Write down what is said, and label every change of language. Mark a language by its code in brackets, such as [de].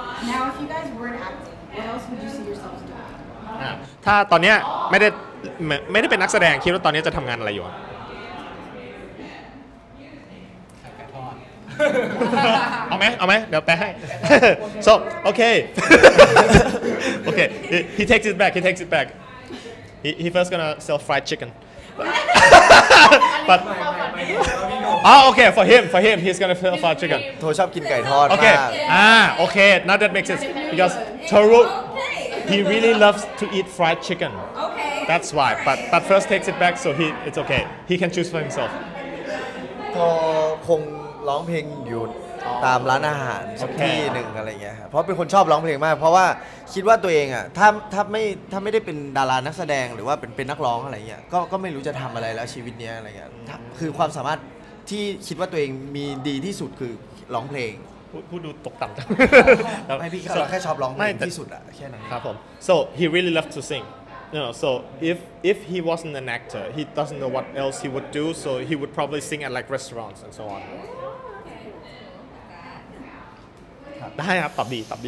[en] now if you guys weren't acting what else would you see yourself [th] ถ้าตอนนี้ไม่ได้เป็นนักแสดงคิดว่าตอนนี้จะทำงานอะไรอยู่ ขายไก่ทอด เอาไหมเดี๋ยวแปลให้ [en] so okay okay he takes it back he first gonna sell fried chicken but oh okay for him he's gonna sell fried chicken [th] โทชอบกินไก่ทอด [en] okay okay now that makes sense because ToruHe really loves to eat fried chicken. Okay. That's why. But first takes it back, so it's okay. He can choose for himself. [th] พอคงร้องเพลงอยู่ตามร้านอาหารที่หนึ่งอะไรเงี้ยเพราะเป็นคนชอบร้องเพลงมากเพราะว่าคิดว่าตัวเองอ่ะถ้าไม่ได้เป็นดารานักแสดงหรือว่าเป็นนักร้องอะไรเงี้ยก็ไม่รู้จะทำอะไรแล้วชีวิตเนี้ยอะไรเงี้ยคือความสามารถที่คิดว่าตัวเองมีดีที่สุดคือร้องเพลง พูดดูตกต่ำจัง ไม่พี่เราแค่ชอบร้องเพลงที่สุดอะแค่นั้น ครับผม [en] so he really loves to sing you know so if he wasn't an actor he doesn't know what else he would do so he would probably sing at like restaurants and so on [th] ได้ครับตับดี